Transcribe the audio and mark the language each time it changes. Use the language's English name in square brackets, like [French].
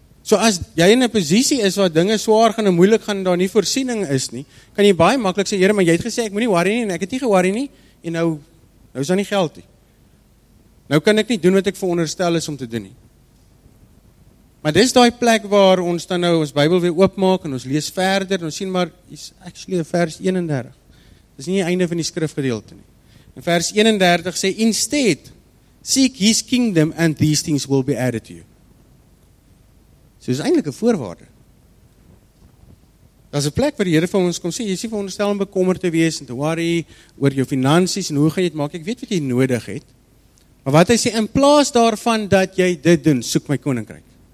[Afrikaans] So as jy in 'n posisie is waar dinge swaar gaan en moeilik gaan en daar nie voorsiening is nie, kan jy baie maklik sê, Here, maar jy het gesê ek moenie worry nie en ek het nie ge-worry nie en nou is daar nie geld nie. Nou kan ek nie doen wat ek veronderstel is om te doen nie. Maar dis daai plek waar ons dan nou ons Bybel weer oopmaak en ons lees verder en ons sien maar is actually vers 31. Dis nie die einde van die skrifgedeelte nie. En vers 31 sê [English] instead seek his kingdom and these things will be added to you. [Afrikaans] So dis eintlik 'n voorwaarde. Daar's 'n plek waar die Here vir ons kom sê jy is nie veronderstel om bekommerd te wees en te worry oor jou finansies en hoe gaan jy dit maak? Ek weet wat jy nodig het. Maar wat hy sê in plaas daarvan dat jy dit doen, soek my koninkryk.